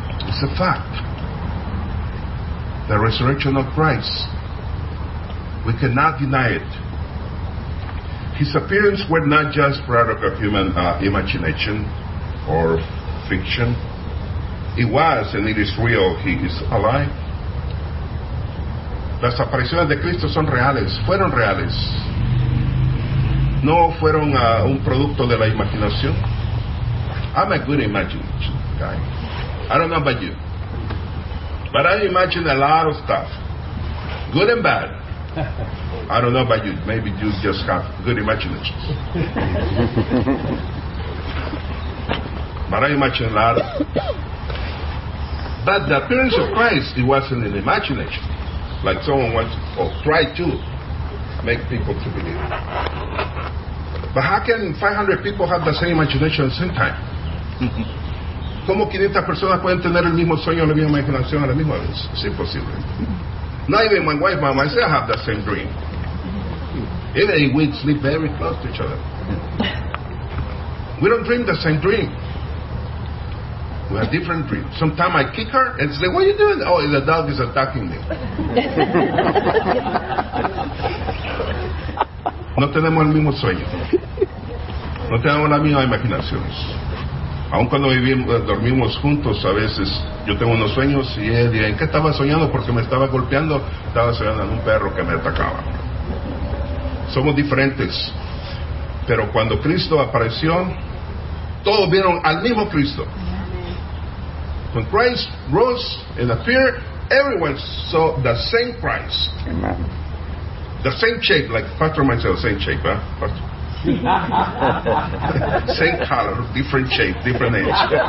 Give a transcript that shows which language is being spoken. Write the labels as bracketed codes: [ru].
[en] It's a fact. The resurrection of Christ. We cannot deny it. His appearance were not just product of human imagination or fiction. It was, and it is real. He is alive. [es] las apariciones de Cristo son reales, fueron reales. No fueron un producto de la imaginación. [en] I'm a good imagination guy. I don't know about you, but I imagine a lot of stuff, good and bad. I don't know about you. Maybe you just have good imagination. But I imagine a lot. But the appearance of Christ, it wasn't an imagination. Like someone wants, or tried to make people to believe. But how can 500 people have the same imagination at the same time? [es] ¿Cómo 500 personas pueden tener el mismo sueño, la misma imaginación a la misma vez? [en] It's impossible. Not even my wife, my myself have the same dream. Even we sleep very close to each other. We don't dream the same dream. We have different dreams. Sometimes I kick her and say, what are you doing? Oh, the dog is attacking me. [es] No tenemos el mismo sueño. No tenemos la misma imaginación. Aun cuando dormimos juntos, a veces yo tengo unos sueños y él dice, ¿en qué estaba soñando? Porque me estaba golpeando. Estaba soñando en un perro que me atacaba. Somos diferentes. Pero cuando Cristo apareció, todos vieron al mismo Cristo. [en] When Christ rose and appeared, everyone saw the same Christ. Amen. The same shape, like Pastor myself, same shape, huh? Same color, different shape, different age.